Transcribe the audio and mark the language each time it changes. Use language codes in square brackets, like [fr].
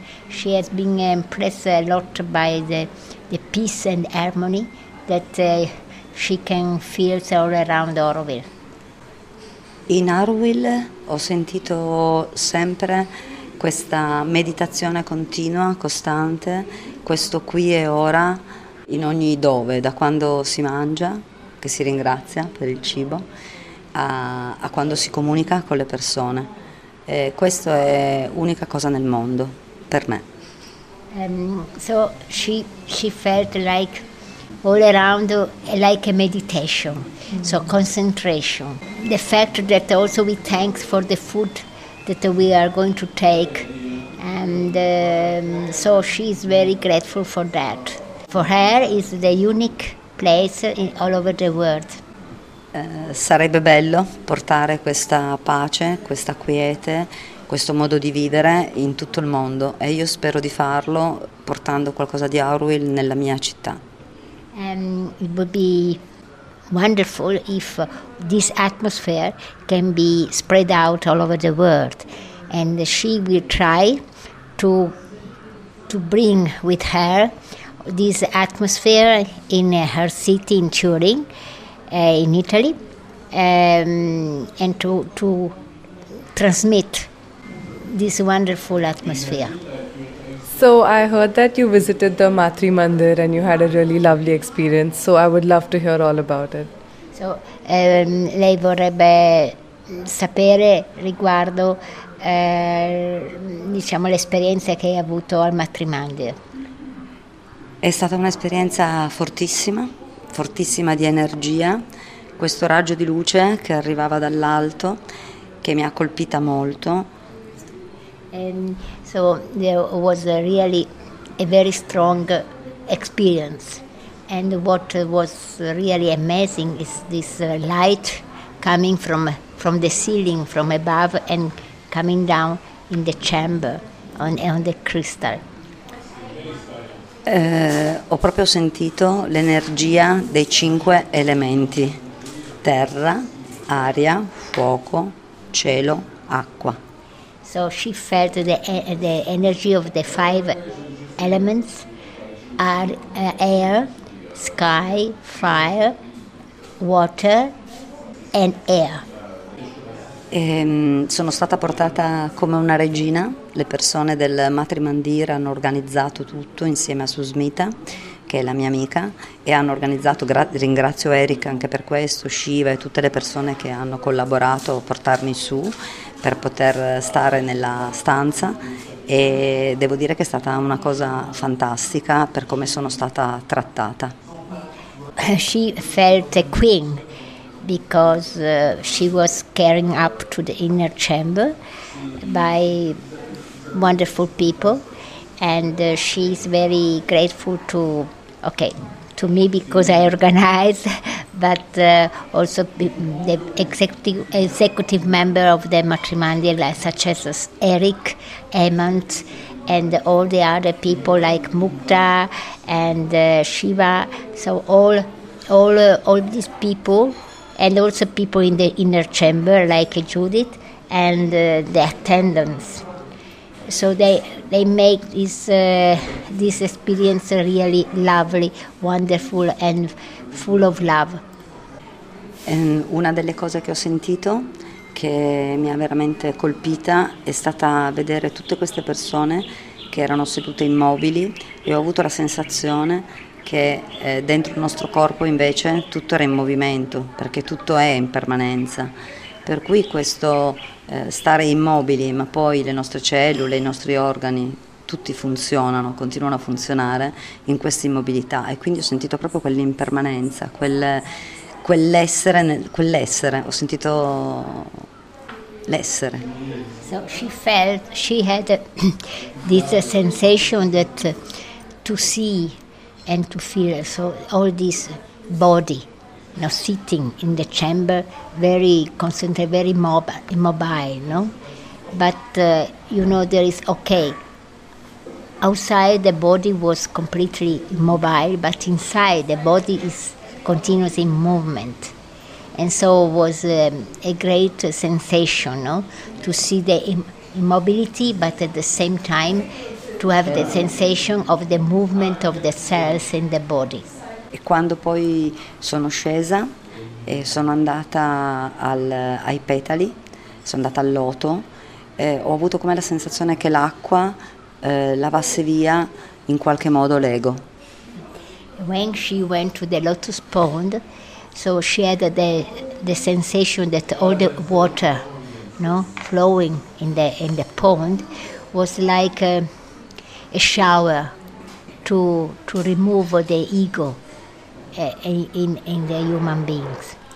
[en] She has been impressed a lot by the peace and harmony that she can feel all around Auroville. [it] In Auroville ho sentito sempre questa meditazione continua, costante, questo qui e ora, in ogni dove, da quando si mangia, che si ringrazia per il cibo, a quando si comunica con le persone. E questo è l'unica cosa nel mondo, per me. [en] So she felt like all around like a meditation, mm-hmm. So concentration. The fact that also we thank for the food that we are going to take, and so she is very grateful for that. For her is the unique place in all over the world. [it] Sarebbe bello portare questa pace, questa quiete, questo modo di vivere in tutto il mondo e io spero di farlo portando qualcosa di Auroville nella mia città. [en] It would be wonderful if this atmosphere can be spread out all over the world and she will try to bring with her this atmosphere in her city in Turin, in Italy, and to transmit this wonderful atmosphere. So I heard that you visited the Matri Mandir and you had a really lovely experience, so I would love to hear all about it. [it] So lei vorrebbe sapere riguardo diciamo l'esperienza che hai avuto al Matri Mandir. È stata un'esperienza fortissima, fortissima di energia, questo raggio di luce che arrivava dall'alto, che mi ha colpita molto. [en] So there was a very strong experience, and what was really amazing is this light coming from the ceiling, from above, and coming down in the chamber on the crystal. [it] Ho proprio sentito l'energia dei cinque elementi: terra, aria, fuoco, cielo, acqua. [en] So she felt the energy of the five elements: air, sky, fire, water, and air. [it] Sono stata portata come una regina. Le persone del Matri Mandir hanno organizzato tutto insieme a Susmita, che è la mia amica, e hanno organizzato, ringrazio Eric anche per questo, Shiva e tutte le persone che hanno collaborato a portarmi su per poter stare nella stanza, e devo dire che è stata una cosa fantastica per come sono stata trattata. [en] She felt a queen because she was carrying up to the inner chamber by wonderful people and she's very grateful to to me because I organize, but also the executive member of the Matrimandir, like such as Eric Emmont and all the other people like Mukta and Shiva. So all these people, and also people in the inner chamber like Judith and the attendants. So they make this this experience really lovely, wonderful and full of love. [it] Una delle cose che ho sentito che mi ha veramente colpita è stata vedere tutte queste persone che erano sedute immobili e ho avuto la sensazione che dentro il nostro corpo invece tutto era in movimento, perché tutto è in permanenza. Per cui questo stare immobili, ma poi le nostre cellule, i nostri organi, tutti funzionano, continuano a funzionare in questa immobilità. E quindi ho sentito proprio quell'impermanenza, quell'essere, ho sentito l'essere. [en] So she felt, she had this sensation that to see and to feel, so all this body, no, sitting in the chamber, very concentrated, very immobile, no? But, you know, there is, okay, outside the body was completely immobile, but inside the body is continuously in movement. And so it was a great sensation, no? To see the immobility, but at the same time to have the sensation of the movement of the cells in the body. [it] E quando poi sono scesa e sono andata ai petali, sono andata al loto, ho avuto come la sensazione che l'acqua lavasse via in qualche modo l'ego. [en] When she went to the lotus pond, so she had the sensation that all the water, no, flowing in the pond was like a shower to remove the ego in the human beings.